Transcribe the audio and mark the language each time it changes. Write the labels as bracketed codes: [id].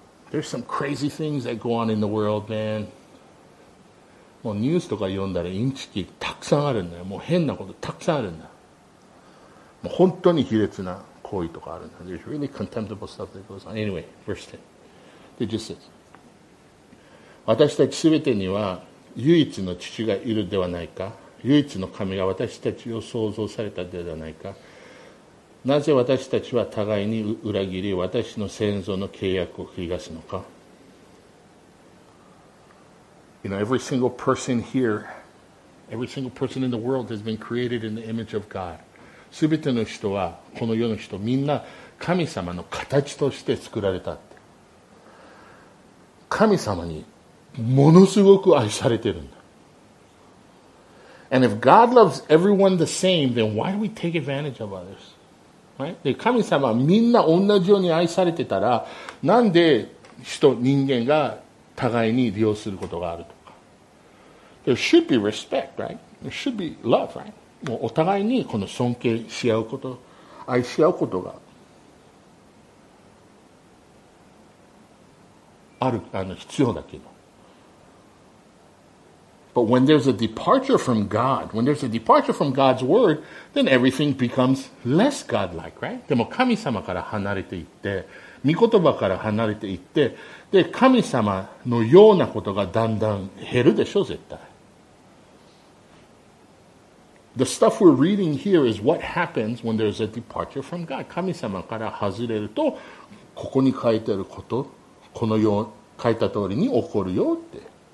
[en] There's some crazy things that go on in the world, man. [ja] もうニュースとか読んだらインチキたくさんあるんだよ。もう変なことたくさんあるんだ。もう本当に卑劣な行為とかあるんだ。 [en] There's really contemptible stuff that goes on. Anyway, verse 10. It just says, [ja] 私たちすべてには唯一の父がいるではないか。唯一の神が私たちを創造されたではないか。なぜ私たちは互いに裏切り、私の先祖の契約を繰り出すのか。 [en] You know, every single person here, every single person in the world has been created in the image of God. [ja] 全ての人は、この世の人、みんな神様の形として作られたって。神様にものすごく愛されてるんだ。 [en] And if God loves everyone the same, then why do we take advantage of others? Right? [ja] で、神様はみんな同じように愛されてたら、なんで人間が互いに利用することがあるとか。 [en] There should be respect, right? There should be love, right? [ja] もうお互いにこの尊敬し合うこと、愛し合うことがある、必要だけど。 [en] But when there's a departure from God, when there's a departure from God's word, then everything becomes less God-like, right? [ja] でも神様から離れていって、御言葉から離れていって、で、神様のようなことがだんだん減るでしょ、絶対。 [en] The stuff we're reading here is what happens when there's a departure from God. [ja] 神様から外れると、ここに書いてあること、このよう書いた通りに起こるよって。